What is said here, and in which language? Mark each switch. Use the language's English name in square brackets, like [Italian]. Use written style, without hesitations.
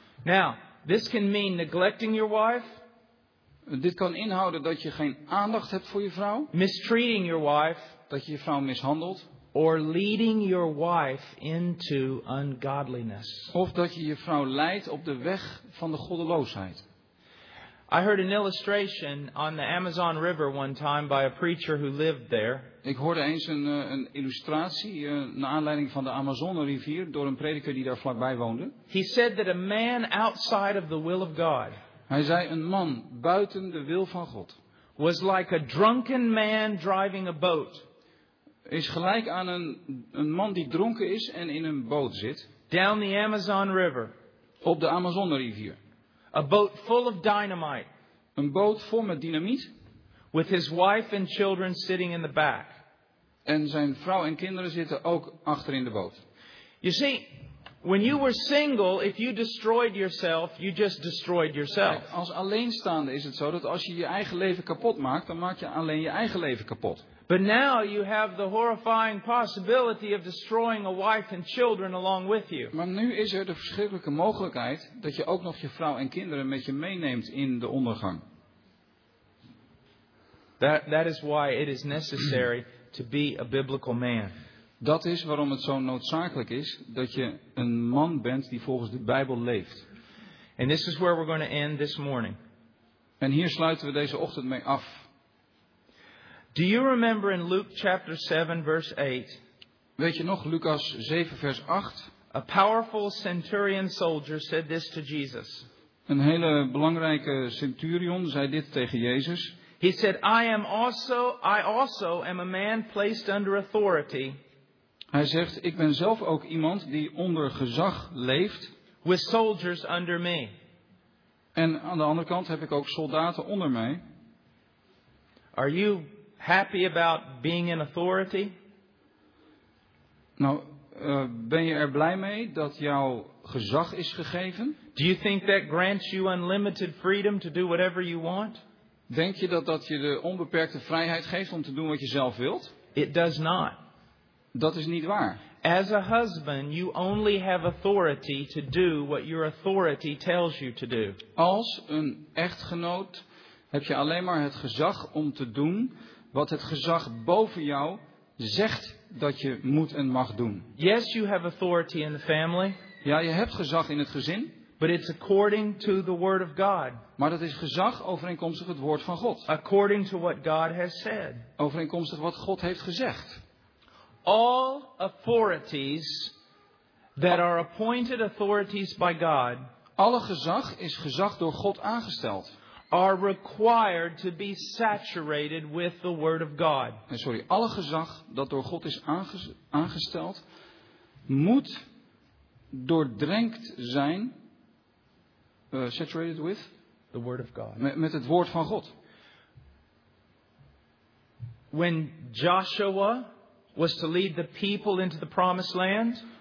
[English] Now, this can mean neglecting your wife. [Dutch] Dit kan inhouden dat je geen aandacht hebt voor je vrouw. [English] Mistreating your wife. [Dutch] Dat je je vrouw mishandelt. [English] Or leading your wife into ungodliness. [Dutch] Of dat je je vrouw leidt op de weg van de goddeloosheid. [English] I heard an illustration on the Amazon River one time by a preacher who lived there. [Dutch] Ik hoorde eens een illustratie naar aanleiding van de Amazone rivier door een prediker die daar vlakbij woonde. [English] He said that a man outside of the will of God. [Dutch] Hij zei een man buiten de wil van God. [English] Was like a drunken man driving a boat. [Dutch] Is gelijk aan een man die dronken is en in een boot zit. [English] Down the Amazon River. [Dutch] Op de Amazone rivier. [English] A boat full of dynamite. [Dutch] Een boot vol met dynamiet. [English] With his wife and children sitting in the back. [Dutch] En zijn vrouw en kinderen zitten ook achter in de boot. [English] You see, when you were single, if you destroyed yourself, you just destroyed yourself. [Dutch] Kijk, als alleenstaande is het zo dat als je je eigen leven kapot maakt, dan maak je alleen je eigen leven kapot. [English] But now you have the horrifying possibility of destroying a wife and children along with you. [Dutch] Maar nu is er de verschrikkelijke mogelijkheid dat je ook nog je vrouw en kinderen met je meeneemt in de ondergang. [English] That is why it is necessary to be a biblical man. [Dutch] Dat is waarom het zo noodzakelijk is dat je een man bent die volgens de Bijbel leeft. [English] And this is where we're going to end this morning. [Dutch] En hier sluiten we deze ochtend mee af. [English] Do you remember in Luke chapter 7 verse 8? [Dutch] Weet je nog Lucas 7 vers 8? [English] A powerful centurion soldier said this to Jesus. [Dutch] Een hele belangrijke centurion zei dit tegen Jezus. [English] He said, I also am a man placed under authority. [Dutch] Hij zegt, ik ben zelf ook iemand die onder gezag leeft. [English] With soldiers under me. [Dutch] En aan de andere kant heb ik ook soldaten onder mij. [English] Are you happy about being in authority? [Dutch] Nou, ben je er blij mee dat jouw gezag is gegeven? [English] Do you think that grants you unlimited freedom to do whatever you want? [Dutch] Denk je dat je de onbeperkte vrijheid geeft om te doen wat je zelf wilt? [English] It does not. [Dutch] Dat is niet waar. [English] As a husband, you only have authority to do what your authority tells you to do. [Dutch] Als een echtgenoot heb je alleen maar het gezag om te doen wat het gezag boven jou zegt dat je moet en mag doen. [English] Yes, you have authority in the family. [Dutch] Ja, je hebt gezag in het gezin. [English] But it's according to the word of God. [Dutch] Maar dat is gezag overeenkomstig het woord van God. [English] According to what God has said. [Dutch] Overeenkomstig wat God heeft gezegd. [English] All authorities that are appointed authorities by God. [Dutch] Alle gezag is gezag door God aangesteld. [English] Are required to be saturated with the word of God. [Dutch] Sorry, alle gezag dat door God is aangesteld moet doordrenkt zijn [English] saturated with the word of God. [Dutch] Met het woord van God. [English] When Joshua was to lead the people into the promised land,